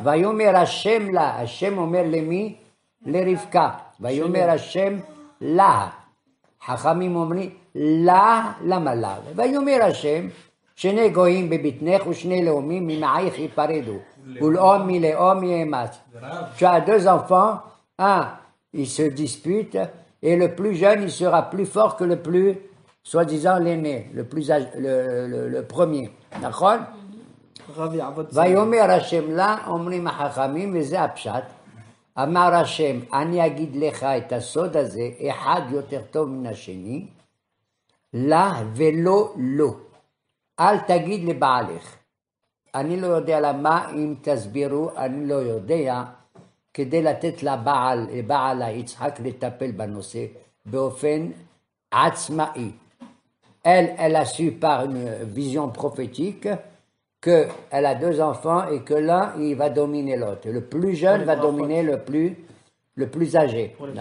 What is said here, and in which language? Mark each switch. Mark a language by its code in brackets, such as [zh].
[he] ויאמר השם לה. השם אומר למי? לרבקה. ויאמר השם לה. חכמים אומרים לה, למה לה? ויאמר השם שני גויים בבטנך ושני לאומים ממעייך יפרדו. ולאום מלאום יאמץ. [fr] Tu as deux enfants, un, ils se disputent, et le plus jeune, il sera plus fort que le plus, soi-disant l'aîné, le plus âgé, le premier. [he] נכון? ויאמר השם לה, אומרים החכמים, וזה הפשט, אמר השם, אני אגיד לך את הסוד הזה, אחד יותר טוב מן השני, לה ולא לו. אל תגיד לבעלך. אני לא יודע למה, אם תסבירו, אני לא יודע, כדי לתת לבעל, לבעלה יצחק לטפל בנושא, באופן עצמאי. [fr] Elle a su par une vision prophétique qu'elle a deux enfants et que l'un il va dominer l'autre. Le plus jeune va dominer le plus âgé.